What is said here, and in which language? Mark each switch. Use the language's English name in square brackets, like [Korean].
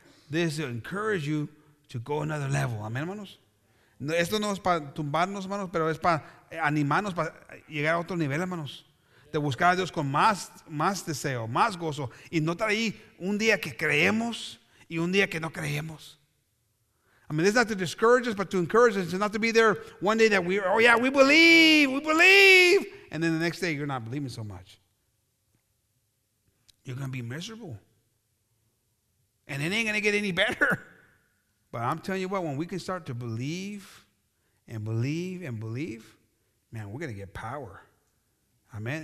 [English] This will encourage you to go another level. [Spanish] Amen, hermanos. Esto no es para tumbarnos, hermanos, pero es para animarnos para llegar a otro nivel, hermanos. De buscar a Dios con más deseo, más gozo. Y no estar ahí un día que creemos y un día que no creemos. [English] I mean, this is not to discourage us, but to encourage us. It's not to be there one day that we believe. And then the next day you're not believing so much. You're going to be miserable. And it ain't going to get any better. But I'm telling you what, when we can start to believe and believe and believe, man, we're going to get power. Amen.